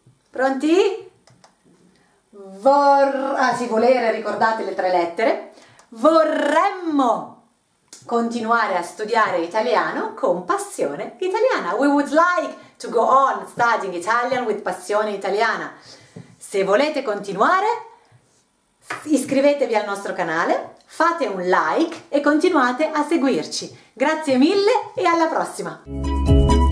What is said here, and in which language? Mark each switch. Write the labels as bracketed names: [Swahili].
[Italian] Pronti? Volere, ricordate le tre lettere. Vorremmo continuare a studiare italiano con passione italiana. [English] We would like to go on studying Italian with [Italian] passione italiana. Se volete continuare, iscrivetevi al nostro canale, fate un like e continuate a seguirci. Grazie mille e alla prossima!